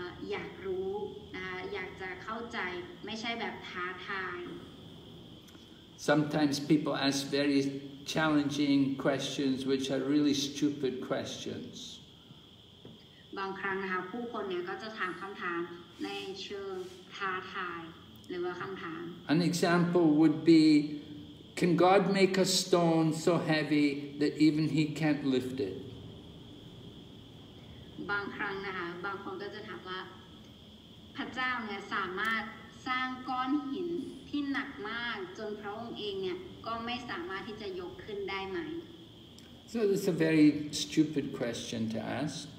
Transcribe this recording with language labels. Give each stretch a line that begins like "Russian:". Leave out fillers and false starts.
Thai: อยากรู้อยากจะเข้าใจไม่ใช่แบบท้าทาย
English: Sometimes people ask very challenging questions, which are really stupid questions.
Thai: บางครั้งนะคะผู้คนเนี่ยก็จะถามคำถามในเชิงท้าทายหรือว่าคำถาม
English: An example would be, can God make a stone so heavy that even He can't lift it?
Thai: บางครั้งนะคะบางคนก็จะถามว่าพระเจ้าเนี่ยสามารถสร้างก้อนหินที่หนักมากจนพระองค์เองเนี่ยก็ไม่สามารถที่จะยกขึ้นได้ไหม
English: So this is a very stupid question to ask.